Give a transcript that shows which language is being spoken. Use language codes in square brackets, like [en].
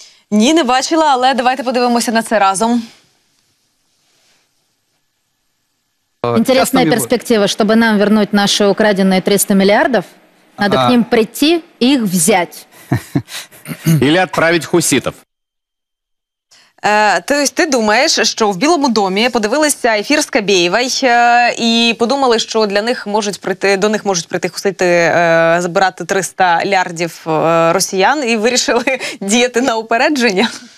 [uk] Ні, не бачила, але давайте подивимося на це разом. [ru] Интересная перспектива, чтобы нам вернуть наши украденные 300 миллиардов, надо к ним прийти и их взять. Или отправить хуситов. [uk] Тобто ти думаєш, що в Білому домі подивилися ефір з Кабєєвою і подумали, що для них можуть прийти, до них можуть прийти хусити забирати 300 мільярдів росіян і вирішили діяти на упередження?